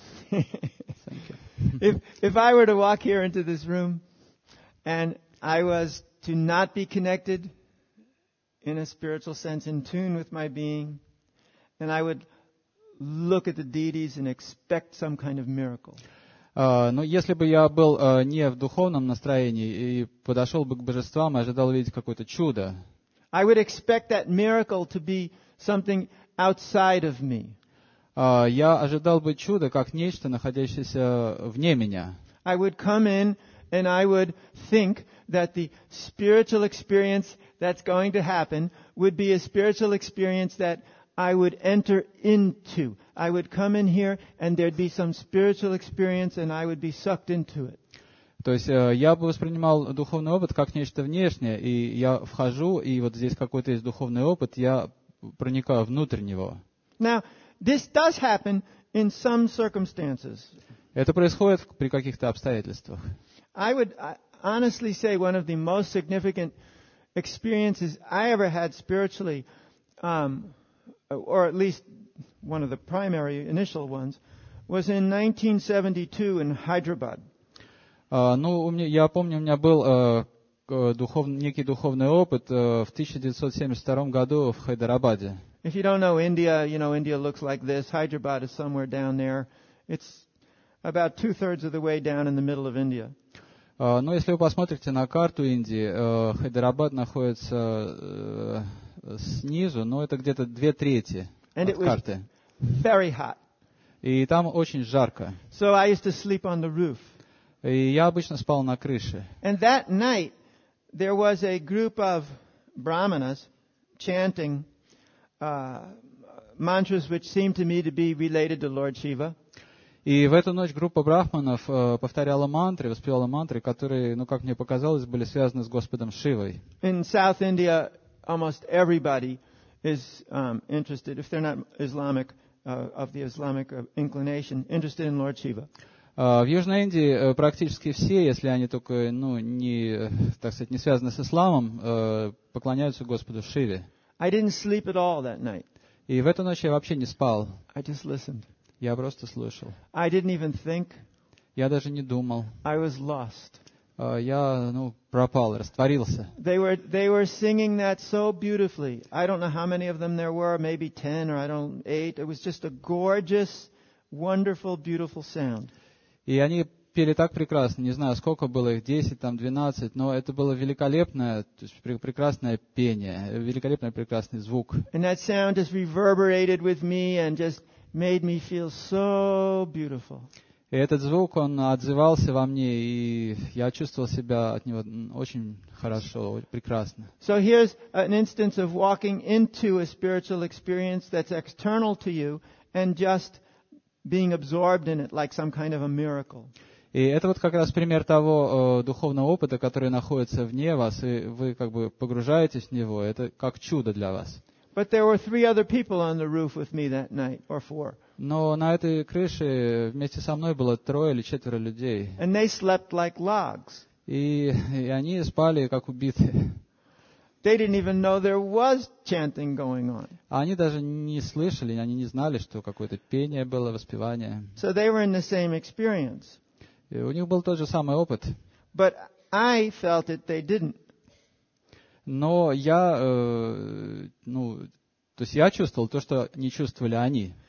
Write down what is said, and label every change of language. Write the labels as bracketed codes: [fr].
[en] Thank you. If I were to walk here into this room and I was to not be connected in a spiritual sense, in tune with my being, and I would look at the deities and expect some kind of miracle. [ru] Ну, если бы я был не в духовном настроении и подошел бы к божествам и ожидал увидеть какое-то чудо, [en] I would expect that miracle to be something outside of me. [ru] Я ожидал бы чуда как нечто, находящееся вне меня. [en] I would come in and I would think that the spiritual experience that's going to happen would be a spiritual experience that I would enter into. I would come in here and there'd be some spiritual experience and I would be sucked into it. [ru] То есть я бы воспринимал духовный опыт как нечто внешнее, и я вхожу, и вот здесь какой-то есть духовный опыт, я проникаю внутрь него. [en] Now, this does happen in some circumstances. [ru] Это происходит при каких-то обстоятельствах. [en] I would honestly say one of the most significant experiences I ever had spiritually, or at least one of the primary initial ones, was in 1972 in Hyderabad. [ru] Ну, у меня, я помню, у меня был некий духовный опыт в 1972 году в Хайдарабаде. [en] If you don't know India, you know, India looks like this. Hyderabad is somewhere down there. It's about 2/3 of the way down in the middle of India. [ru] Ну, если вы посмотрите на карту Индии, Хайдарабад находится снизу, но это где-то 2/3 от карты. [en] Very hot. [ru] И там очень жарко. [en] So I used to sleep on the roof. [ru] И я обычно спал на крыше. [en] And that night there was a group of brahmanas chanting mantras which seemed to me to be related to Lord Shiva. [ru] И в эту ночь группа брахманов повторяла мантры, воспевала мантры, которые, ну как мне показалось, были связаны с Господом Шивой. [en] In South India almost everybody is interested, if they're not Islamic, of the Islamic inclination, interested in Lord Shiva. [ru] В Южной Индии практически все, если они только, ну, не, так сказать, не связаны с исламом, поклоняются Господу Шиве. [en] I didn't sleep at all that night. [ru] И в эту ночь я вообще не спал. [en] I just listened. [ru] Я просто слушал. [en] I didn't even think. [ru] Я даже не думал. [en] I was lost. [ru] Я, ну, пропал, растворился. [en] They were singing that so beautifully. I don't know how many of them there were, maybe 10 or I don't 8. It was just a gorgeous, wonderful, beautiful sound. [ru] И они пели так прекрасно, не знаю, сколько было их, 10, там, 12, но это было великолепное, то есть прекрасное пение, великолепный, прекрасный звук. [en] And that sound just reverberated with me and just made me feel so beautiful. [ru] И этот звук, он отзывался во мне, и я чувствовал себя от него очень хорошо, прекрасно. [en] So here's an instance of walking into a spiritual experience that's external to you and just being absorbed in it like some kind of a miracle. [ru] И это вот как раз пример того духовного опыта, который находится вне вас, и вы как бы погружаетесь в него. Это как чудо для вас. [en] But there were three other people on the roof with me that night, or four. [ru] Но на этой крыше вместе со мной было трое или четверо людей. [en] And they slept like logs. [ru] И они спали как убитые. [en] They didn't even know there was chanting going on. [ru] Они даже не слышали, они не знали, что какое-то пение было, воспевание. [en] So they were in the same experience. [ru] И у них был тот же самый опыт. [en] But I felt it, they didn't. [ru] Но я, то есть я чувствовал то, что не чувствовали они.